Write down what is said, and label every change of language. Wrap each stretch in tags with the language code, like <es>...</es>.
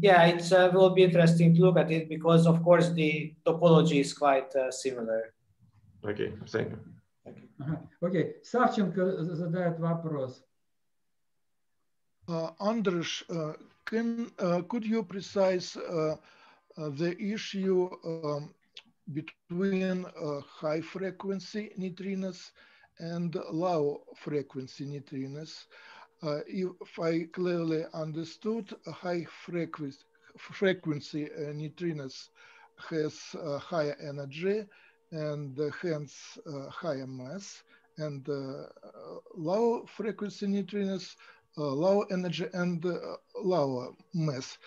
<en>Yeah, it will be interesting to look at it because of course the topology is quite similar. Okay, thank you.</en> <ru>Окей, Савченко задает вопрос.</ru> <en>Андрюш, could you precise the issue between high frequency neutrinos and low frequency neutrinos? If I clearly understood, high frequency neutrinos has higher energy and hence higher mass, and low frequency neutrinos, low energy and lower mass.</en>